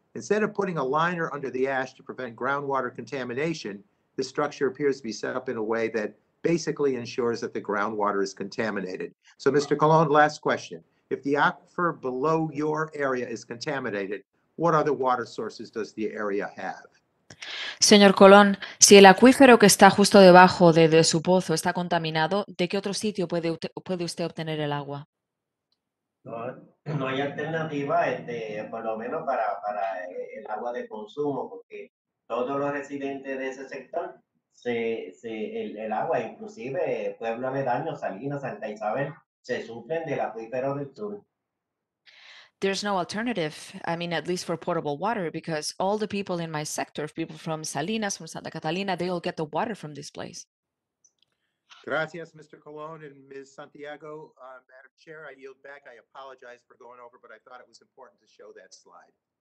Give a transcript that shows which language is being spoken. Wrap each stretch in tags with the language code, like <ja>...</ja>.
<en>Instead of putting a liner under the ash to prevent groundwater contamination, the structure appears to be set up in a way that basically ensures that the groundwater is contaminated. So, Mr. Colon, last question. If the aquifer below your area is contaminated, what other water sources does the area have?</en> <es>Señor Colón, si el acuífero que está justo debajo de su pozo está contaminado, ¿de qué otro sitio puede usted obtener el agua? No hay alternativa, por lo menos para el agua de consumo, porque todos los residentes de ese sector, el agua, inclusive Pueblo Aledaño, Salinas, Santa Isabel, se sufren del acuífero del sur.</es> <en>There's no alternative, I mean, at least for potable water, because all the people in my sector, people from Salinas, from Santa Catalina, they all get the water from this place.</en> <es>Gracias,</es> <en>Mr. Colon and Ms. Santiago. Madam Chair, I yield back. I apologize for going over, but I thought it was important to show that slide.</en>